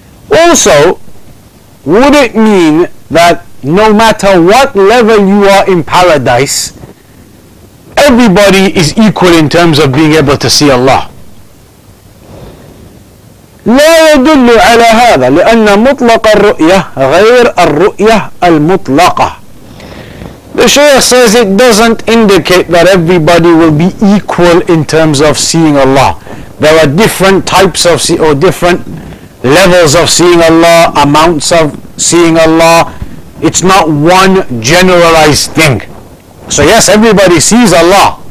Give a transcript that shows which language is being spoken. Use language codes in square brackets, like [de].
[en] Also, would it mean that no matter what level you are in paradise, everybody is equal in terms of being able to see Allah? [ar] لا يدل على هذا لأن مطلق الرؤية غير الرؤية المطلقة. [en] The Shaykh says it doesn't indicate that everybody will be equal in terms of seeing Allah. There are different types of different levels of seeing Allah, amounts of seeing Allah. It's not one generalized thing. So yes, everybody sees Allah.